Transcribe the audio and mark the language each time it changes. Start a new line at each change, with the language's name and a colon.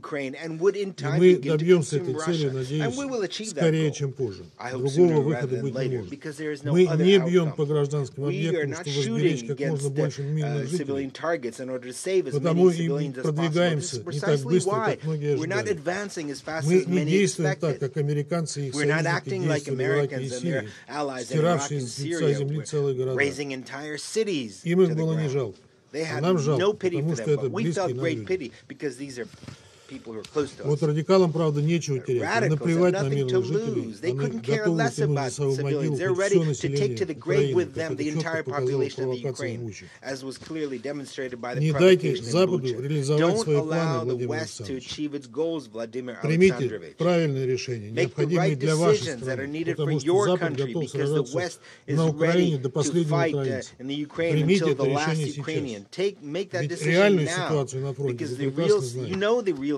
Russian: И мы добьемся этой цели, надеюсь, скорее, чем позже. Другого выхода быть не может. Мы не бьем по гражданским объектам, чтобы сберечь как можно больше мирных жителей. Потому и продвигаемся не так быстро, как многие ожидали. Мы не действуем так, как американцы и их союзники.
English: like Americans and their allies in Iraq and Syria were raising entire cities to the ground. They had no pity for them, but we felt great pity because these are people who are close to us.
Russian: Вот радикалам, правда, нечего терять. Наплевать на мирных жителей.
English: They couldn't care less about civilians. They're ready to take to the grave with them the entire population of the Ukraine, as was clearly demonstrated by the provocation in Bucha. Don't allow the West to achieve its goals, Vladimir Alexandrovich.
Russian: Правильное решение, необходимое для вашей страны, потому что Запад готов сражаться на Украине до последнего украинца. Примите это решение сейчас. Ведь реальную ситуацию на фронте вы прекрасно знаете.